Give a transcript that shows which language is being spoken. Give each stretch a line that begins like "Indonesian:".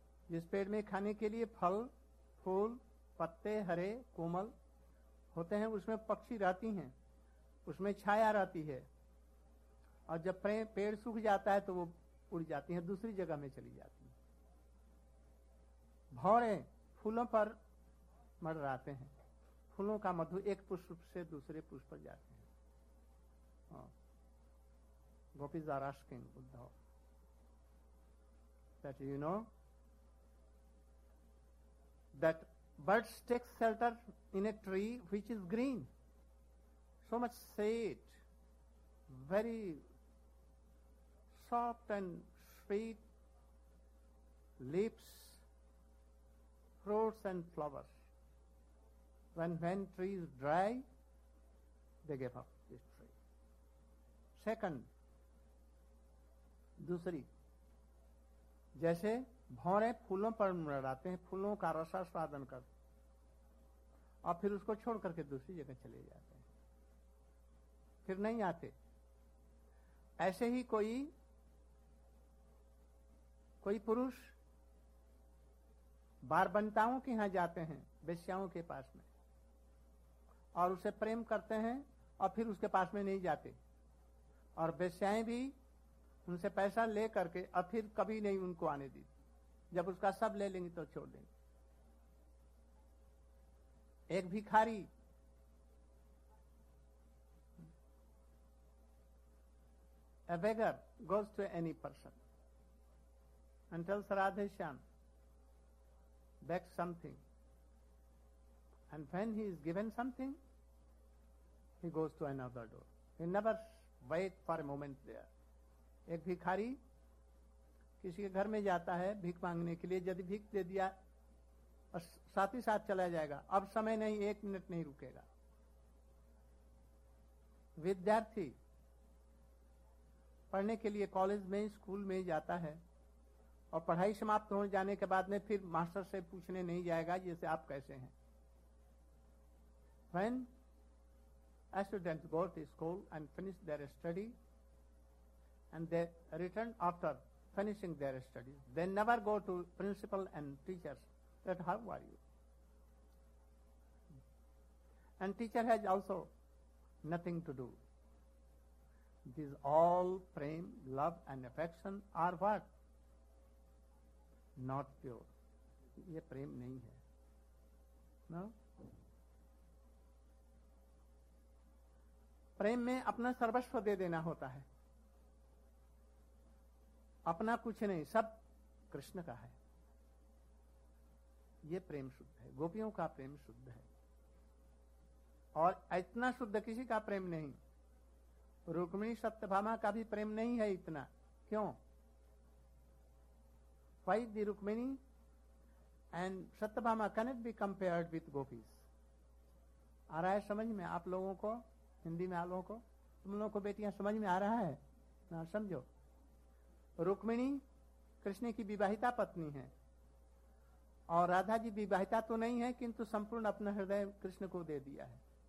Hindi: जिस पेड़ में खाने के लिए फल फूल पत्ते हरे कोमल होते हैं उसमें पक्षी रहती हैं, उसमें छाया रहती है, और जब पेड़ सूख जाता है तो वो उड़ जाती हैं, दूसरी जगह में चली जाती हैं। भौरे फूलों पर मंडराते हैं, फूलों का मधु एक पुष्प से दूसरे पुष्प पर जाते हैं।
English: Gopis are asking Uddhava that you know that birds take shelter in a tree which is green, so much sweet, very soft and sweet leaves, fruits and flowers. When tree is dry, they give up this tree.
Hindi: Second, दूसरी, जैसे भौरे फूलों पर मंडराते हैं, फूलों का रसास्वादन कर और फिर उसको छोड़ करके दूसरी जगह चले जाते हैं, फिर नहीं आते, ऐसे ही कोई पुरुष बारबंताओं के यहां जाते हैं, वेश्याओं के पास में, और उसे प्रेम करते हैं और फिर उसके पास में नहीं जाते, और वेश्याएं भी उनसे पैसा ले करके और फिर कभी नहीं उनको आने दी, जब उसका सब ले लेंगे तो छोड़ देंगे। एक भिखारी
English: a beggar goes to any person and tells Radhe Shyam, beg something, and when he is given something he goes to another door, he never wait for a moment there.
Hindi: Ek bhikhari kisi ke ghar mein jata hai bhik mangne ke liye, jadi bhik de diya aur saath hi saath chala jayega, ab samay nahi, ek minute nahi rukega. Vidyarthi पढ़ने के लिए college में school में जाता है और पढ़ाई समाप्त हो जाने के बाद में फिर मास्टर से पूछने नहीं जाएगा जैसे आप कैसे हैं.
English: When a student goes to school and finish their study and they return after finishing their study, they never go to principal and teachers that how are you, and teacher has also nothing to do. These all prem, love and affection are what? Not pure.
Hindi: Ye prem nahi hai.
English: No?
Hindi: Prem mein apna sarvashva de dena hota hai. Apna kuch nahi, sab Krishna ka hai. Ye prem shuddh hai. Gopiyon ka prem shuddh hai. Aur itna shuddh kisi ka prem nahi. Rukmini Satyabhama का भी प्रेम नहीं है इतना. क्यों?
English: Why the Rukmini and Satyabhama cannot be compared with gopis?
Hindi: आ रहा है समझ में आप लोगों को, हिंदी में आप लोगों को, तुम लोगों को बेटियां समझ में आ रहा है ना? समझो, रुक्मिणी कृष्ण की विवाहिता पत्नी है और राधा जी विवाहिता तो नहीं है किंतु संपूर्ण अपना हृदय कृष्ण को दे दिया है.